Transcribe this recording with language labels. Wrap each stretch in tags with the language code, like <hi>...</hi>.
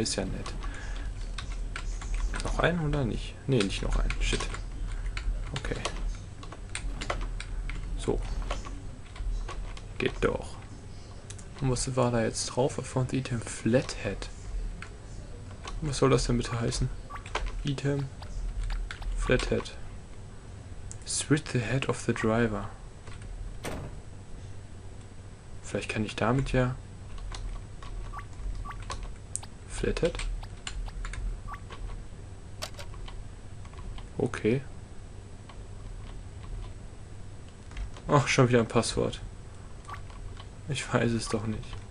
<de>Ist ja nett. Noch ein oder nicht? Ne, nicht noch ein. Shit. Okay. So. Geht doch. Und was war da jetzt drauf?</de> <en>I found the item Flathead.</en> <de>Was soll das denn bitte heißen?</de> <en>Item Flathead. Switch the head of the driver.</en> <de>Vielleicht kann ich damit ja.</de> <en>Flathead? Okay.</en> <de>Ach, schon wieder ein Passwort. Ich weiß es doch nicht.</de>